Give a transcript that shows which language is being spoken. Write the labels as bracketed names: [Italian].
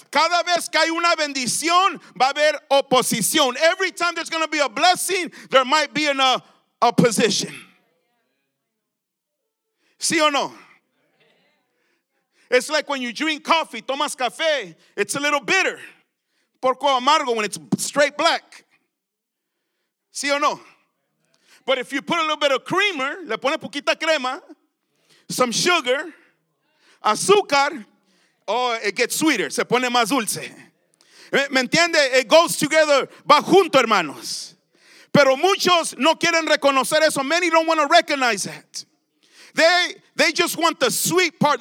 [Spanish] Cada vez que hay una bendición, va a haber oposición. [English] Every time there's going to be a blessing, there might be an opposition. [Spanish] ¿Sí o no? [English] It's like when you drink coffee, [Spanish] tomas café, [English] it's a little bitter. [Spanish] Porco amargo [English] when it's straight black. [Spanish] ¿Sí o no? [English] But if you put a little bit of creamer, [Spanish] le pones poquita crema, [English] some sugar, azúcar, oh, it gets sweeter, [Spanish] se pone más dulce. ¿Me entiende? [English] It goes together, [Spanish] va junto, hermanos. Pero muchos no quieren reconocer eso. [English] Many don't want to recognize it. They just want the sweet part.